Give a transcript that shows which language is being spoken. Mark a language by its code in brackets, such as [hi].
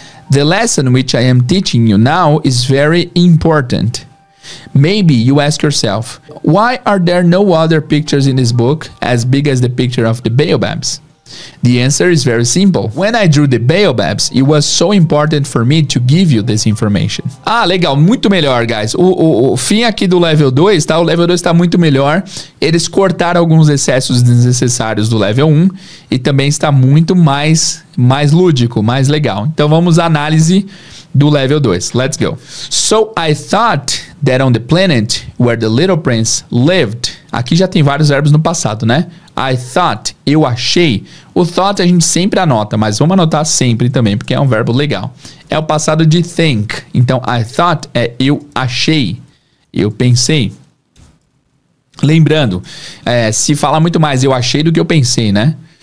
[en] The lesson which I am teaching you now is very important. Maybe you ask yourself, why are there no other pictures in this book as big as the picture of the baobabs? The answer is very simple. When I drew the baobabs, it was so important for me to give you this information. [pt] Ah, legal. Muito melhor, guys. O fim aqui do level 2, tá? O level 2 tá muito melhor. Eles cortaram alguns excessos desnecessários do level 1 e também está muito mais lúdico, mais legal. Então vamos à análise do level 2. [en] Let's go. So I thought that on the planet where the little prince lived. [pt] Aqui já tem vários verbos no passado, né? [en] I thought, [pt] eu achei. O thought a gente sempre anota, mas vamos anotar sempre também, porque é um verbo legal. É o passado de think. Então, [en] I thought [pt] é eu achei. Eu pensei. Lembrando, se fala muito mais eu achei do que eu pensei, né?